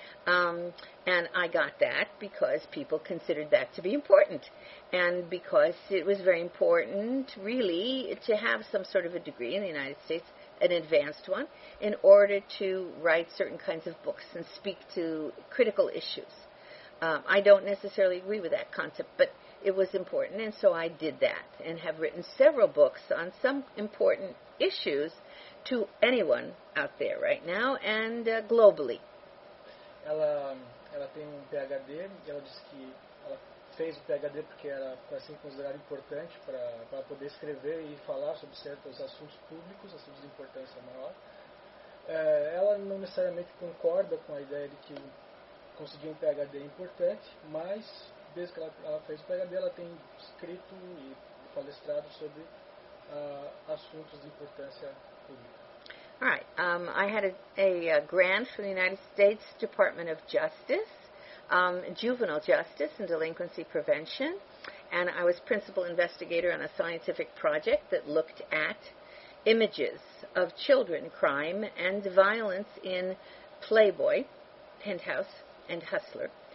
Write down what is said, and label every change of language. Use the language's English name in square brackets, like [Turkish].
[English] And I got that because people considered that to be important, and because it was very important, really, to have some sort of a degree in the United States, an advanced one, in order to write certain kinds of books and speak to critical issues. I don't necessarily agree with that concept, but it was important, and so I did that, and have written several books on some important issues to anyone out there right now, and globally. [Portuguese] Ela tem um PhD, e ela disse que ela fez o PhD porque era assim considerado importante para poder escrever e falar sobre certos assuntos públicos, assuntos de importância maior. Ela não necessariamente concorda com a ideia de que conseguir um PhD é importante, mas desde que ela fez o PhD, ela tem escrito e palestrado sobre assuntos de importância pública. [English] All right. I had a grant from the United States Department of Justice, juvenile justice and delinquency prevention, and I was principal investigator on a scientific project that looked at images of children, crime, and violence in Playboy, Penthouse, and Hustler.